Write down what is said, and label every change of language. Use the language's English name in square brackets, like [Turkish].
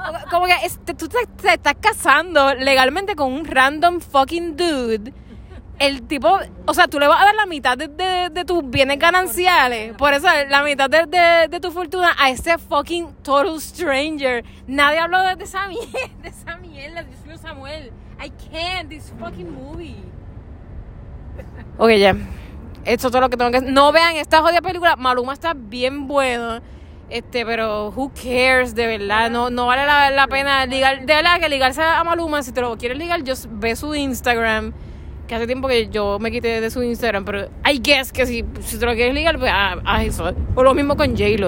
[Spanish] Como que tú te estás casando legalmente con un [English] random fucking dude [Spanish] el tipo, o sea, tú le vas a dar la mitad de tus bienes gananciales, por eso la mitad de tu fortuna a ese [English] fucking total stranger. [Spanish] Nadie habló de esa mierda, Dios mío, Samuel. [English] I can't, this fucking movie. [Spanish] Okay, ya. Esto es todo lo que tengo que decir. No vean esta jodida película. Maluma está bien bueno. Pero [English] who cares, [Spanish] de verdad. No vale la pena ligar. De verdad que ligarse a Maluma, si te lo quieres ligar, just ve su Instagram. Que hace tiempo que yo me quité de su Instagram, pero [English] I guess [Spanish] que si te lo quieres ligar, pues eso. O lo mismo con J-Lo.